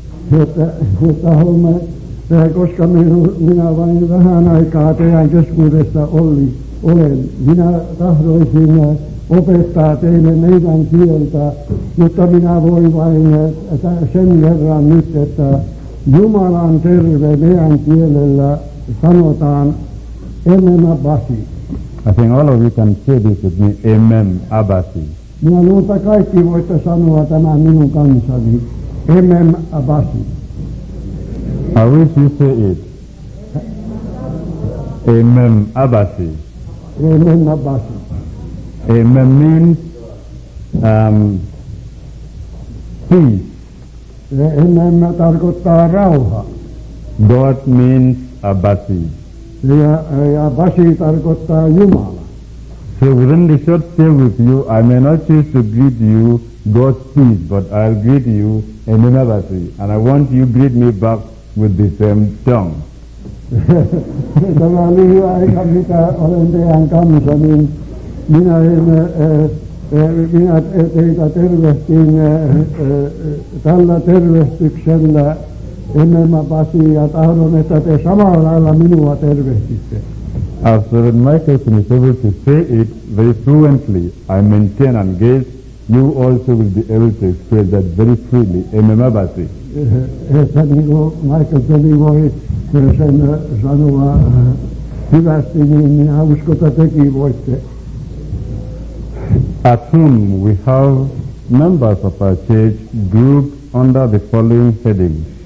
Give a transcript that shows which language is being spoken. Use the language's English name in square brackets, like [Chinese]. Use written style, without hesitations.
[Finnish] Koska minä vain vähän aikaa teidän keskuudessa olen, minä tahdoisin opettaa teille meidän kieltä, mutta minä voin vain sen verran nyt, että Jumalan terve meidän kielellä sanotaan Emema Basi. [English] I think all of you can say this with me, Emem Abasi. [Finnish] Minä luulen, että kaikki voitte sanoa tämän minun kansani, Emem Abasi. [English] I wish you say it. [Efik] Amen, Abasi. Amen, Abasi. [English] Amen means peace. [Finnish] Amen tarkoittaa rauha. [English] God means Abasi. [Finnish] Ja Abasi tarkoittaa Jumala. [English] So within the short stay with you, I may not choose to greet you God's peace, but I'll greet you Amen, Abasi. And I want you to greet me back with the same tongue. [Finnish] Tämä on lyhyä aika, mitä olen teidän kanssa, niin minä teitä tervehtin tällä tervehtyksellä Emema Basi, ja tahdon, että te samalla lailla minua tervehtitte. [English] After Mickelsen is able to say it very fluently, I maintain and guess you also will be able to express that very freely, Emema Basi. [Finnish] Että niin kuin Mickelsen voi sen sanoa hyvästi, niin minä uskon, että tekin voitte. [English] At whom we have members of our church grouped under the following heading.